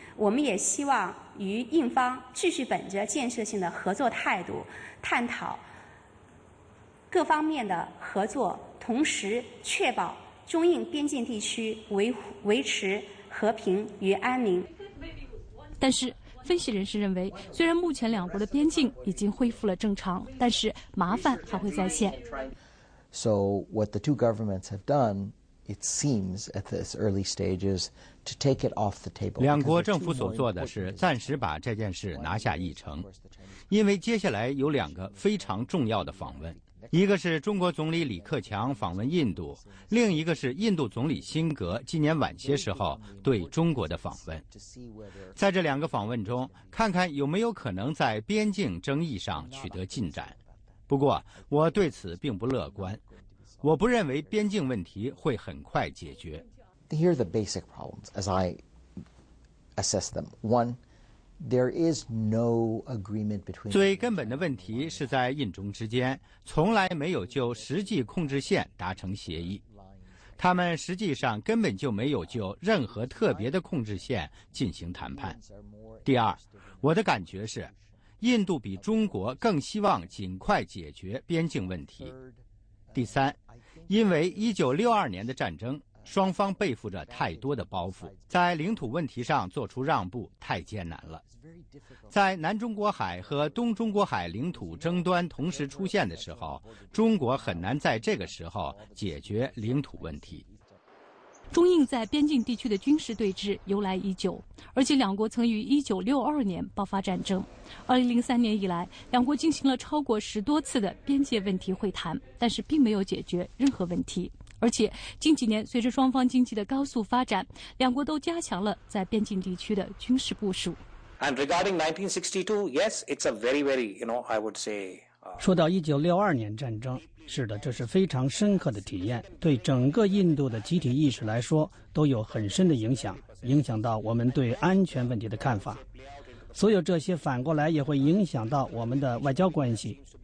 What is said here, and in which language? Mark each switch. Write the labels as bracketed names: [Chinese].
[Chinese] 我们也希望与印方继续本着建设性的合作态度，探讨各方面的合作，同时确保中印边境地区维持和平与安宁。但是分析人士认为，虽然目前两国的边境已经恢复了正常，但是麻烦还会再现。 [English] So what the two governments have done, it seems at this early stages, to take it off the table. [Chinese] 两国政府所做的是暂时把这件事拿下议程，因为接下来有两个非常重要的访问，一个是中国总理李克强访问印度，另一个是印度总理辛格今年晚些时候对中国的访问。在这两个访问中，看看有没有可能在边境争议上取得进展。不过，我对此并不乐观，我不认为边境问题会很快解决。 [English] Here are the basic problems as I assess them. One, there is no agreement between. [Chinese] 最根本的问题是在印中之间从来没有就实际控制线达成协议，他们实际上根本就没有就任何特别的控制线进行谈判。第二，我的感觉是，印度比中国更希望尽快解决边境问题。第三，因为1962年的战争，双方背负着太多的包袱，在领土问题上做出让步太艰难了。在南中国海和东中国海领土争端同时出现的时候，中国很难在这个时候解决领土问题。中印在边境地区的军事对峙由来已久，而且两国曾于1962年爆发战争。 2003年以来，两国进行了超过10多次的边界问题会谈，但是并没有解决任何问题。而且近几年随着双方经济的高速发展，两国都加强了在边境地区的军事部署。 [English] And regarding 1962, yes, it's a very, very, you know, I would say. [Chinese] 说到1962年战争，是的，这是非常深刻的体验，对整个印度的集体意识来说都有很深的影响，影响到我们对安全问题的看法。所有这些反过来也会影响到我们的外交关系。